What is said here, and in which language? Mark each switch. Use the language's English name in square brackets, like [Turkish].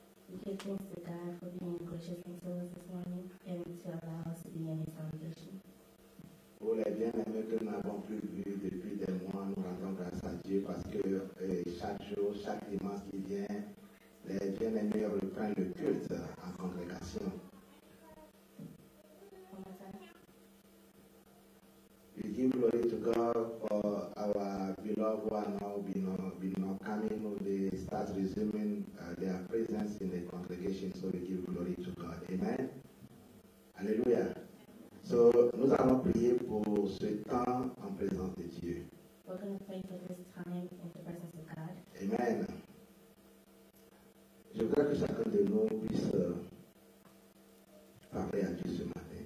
[English] We give thanks to God for being gracious to us this morning and to allow us to be in His congregation. [French] Pour les bien-aimés que nous n'avons plus vus depuis des mois, nous rendons grâce à Dieu parce que chaque jour, chaque dimanche qui vient, les bien-aimés reprennent le culte en congrégation. [English] We give glory to God for our beloved who are now been coming, they start resuming their presence in the congregation. So we give glory to God. Amen. Alléluia. [French] So nous allons prier pour ce temps en présence de Dieu. [English] We're going to pray for this time in the presence of God. Amen. [French] Je voudrais que chacun de nous puisse parler à Dieu ce matin.